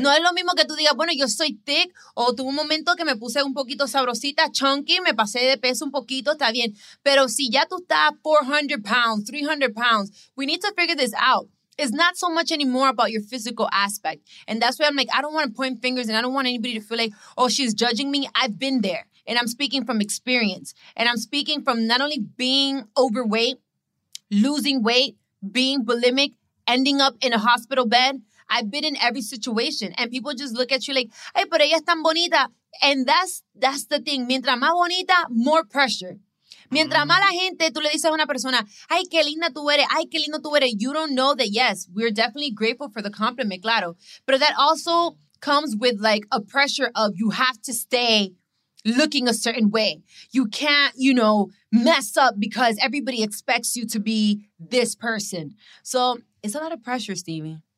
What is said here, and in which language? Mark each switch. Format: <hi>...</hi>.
<es>No es lo mismo que tú digas, bueno, yo soy thick, o tuve un momento que me puse un poquito sabrosita, chunky, me pasé de peso un poquito, está bien. Pero si ya tú estás</es> <en>400 pounds, 300 pounds, we need to figure this out. It's not so much anymore about your physical aspect. And that's why I'm like, I don't want to point fingers and I don't want anybody to feel like, oh, she's judging me. I've been there. And I'm speaking from experience. And I'm speaking from not only being overweight, losing weight, being bulimic, ending up in a hospital bed. I've been in every situation. And people just look at you like,</en> <es>ay, pero ella es tan bonita.</es> <en>And that's the thing.</en> <es>Mientras más bonita,</es> <en>more pressure.</en> <es>Mientras más la gente, tú le dices a una persona, ay, qué linda tú eres, ay, qué lindo tú eres.</es> <en>You don't know that, yes, we're definitely grateful for the compliment, claro. But that also comes with, like, a pressure of you have to stay looking a certain way. You can't, you know, mess up because everybody expects you to be this person. So it's a lot of pressure, Stevie.</en>